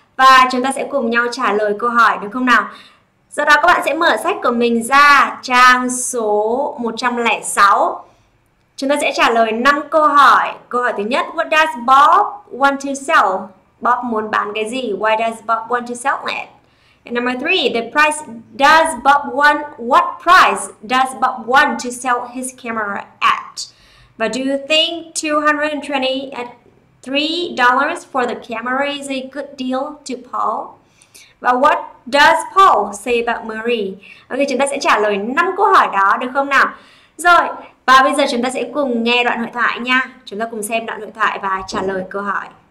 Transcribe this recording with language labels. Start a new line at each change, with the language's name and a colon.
Vietnamese: Và chúng ta sẽ cùng nhau trả lời câu hỏi đúng không nào? Do đó các bạn sẽ mở sách của mình ra trang số 106. Chúng ta sẽ trả lời 5 câu hỏi. Câu hỏi thứ nhất,
English: what does Bob want to sell?
Vietnamese: Bob muốn bán cái gì?
English: Why does Bob want to sell it? And number 3, the price does Bob want, what price does Bob want to sell his camera at? But do you think $223 for the camera is a good deal to Paul? But what does Paul say about Marie?
Vietnamese: Ok, chúng ta sẽ trả lời 5 câu hỏi đó được không nào? Rồi, và bây giờ chúng ta sẽ cùng nghe đoạn hội thoại nha. Chúng ta cùng xem đoạn hội thoại và trả lời câu hỏi.